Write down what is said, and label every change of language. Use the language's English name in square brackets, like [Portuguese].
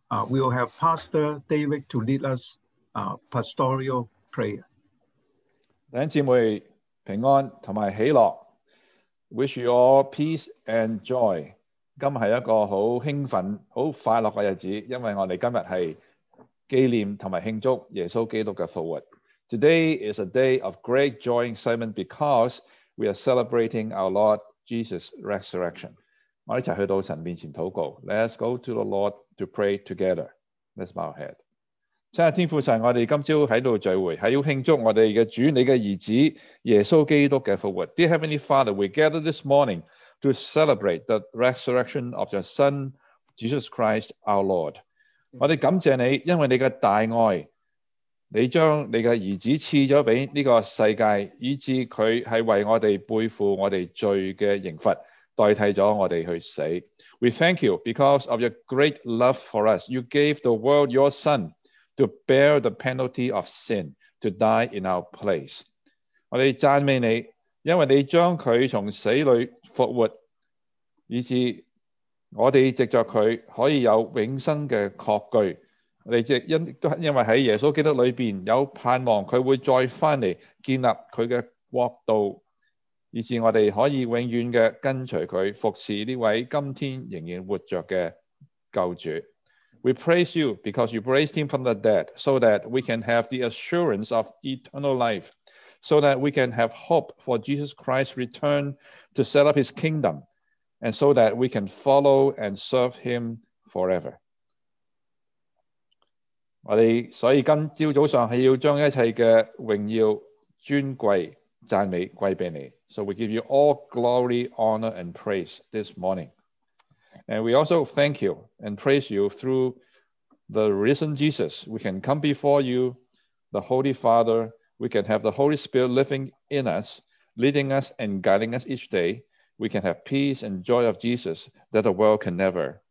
[English] We will have Pastor David to lead us pastoral prayer. [Chinese] 弟兄姊妹平安和喜乐。 [English] Wish you all peace and joy. [Chinese] 今天是一个很兴奋、很快乐的日子，因为我们今天是纪念和庆祝耶稣基督的复活。 [English] Today is a day of great joy and excitement because we are celebrating our Lord Jesus' resurrection. [Chinese] 我们一起去到神面前祷告。 [English] Let's go to the Lord to pray together. Let's bow our head. [Chinese] 亲爱的天父神，我们今早在这里聚会，是要庆祝我们的主，你的儿子，耶稣基督的复活。 [English] Dear Heavenly Father, we gather this morning to celebrate the resurrection of your Son, Jesus Christ, our Lord. [Chinese] 我们感谢你，因为你的大爱，你将你的儿子赐了给这个世界，以致他是为我们背负我们罪的刑罚，代替了我们去死。 [English] We thank you because of your great love for us. You gave the world your son to bear the penalty of sin, to die in our place. [Chinese] 我们赞美你，因为你将他从死里复活，以致我们藉着他可以有永生的确据。我们因为在耶稣基督里面有盼望，他会再回来建立他的国度，以致我们可以永远的跟随他，服侍这位今天仍然活着的救主。 [English] We praise you because you raised him from the dead so that we can have the assurance of eternal life, so that we can have hope for Jesus Christ's return to set up his kingdom, and so that we can follow and serve him forever. [Chinese] 我们所以今早上是要将一切的荣耀、尊贵、赞美归给你。 [English] So we give you all glory, honor, and praise this morning. And we also thank you and praise you through the risen Jesus. We can come before you, the Holy Father. We can have the Holy Spirit living in us, leading us and guiding us each day. We can have peace and joy of Jesus that the world can never